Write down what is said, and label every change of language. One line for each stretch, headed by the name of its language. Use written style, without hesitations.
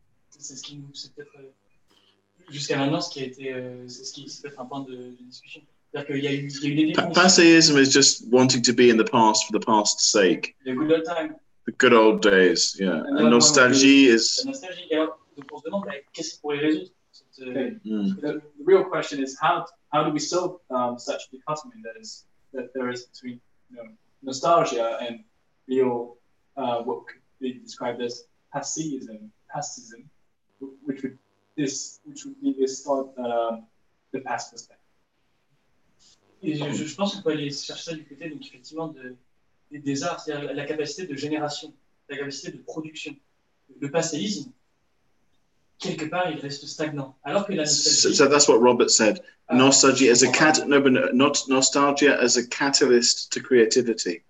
French: C'est ce qui nous, c'est peut-être jusqu'à maintenant ce qui a été, c'est ce qui, c'est peut-être un point de discussion. C'est-à-dire qu'il y a eu, il y a eu des défauts.
English: Passéism is just wanting to be in the past for the past's sake. The good old time. The good old days, yeah. And nostalgie is.
French: Nostalgie, alors, pour se demander, qu'est-ce qu'on pourrait résoudre cette,
English: The real question is how do we solve such a dichotomy that is that there is between, you know, nostalgia and real what could be described as passéism. Passism, which would be this thought, the past.
French: Je pense qu'on peut aller chercher ça du côté, donc effectivement, des arts, c'est-à-dire la capacité de génération, la capacité de production. Le passéisme, quelque part, il reste stagnant. Alors que la nostalgie.
English: So that's what Robert said. Nostalgia as a catalyst to creativity.